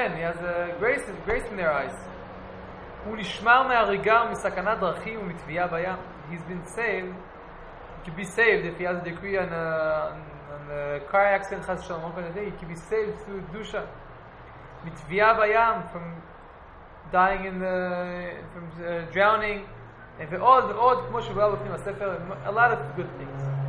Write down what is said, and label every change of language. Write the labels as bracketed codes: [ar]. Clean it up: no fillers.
[en] He has a grace in their eyes. [he] הוא נשמר מהריגה ומסכנת דרכים ומתביעה בים. [en] He's been saved. He could be saved if he has a decree on a car accident. He could be saved through Dusha. [he] מתביעה בים, [en] from dying in the... from drowning. [he] ועוד, כמו שבואה בפנים הספר, [en] a lot of good things.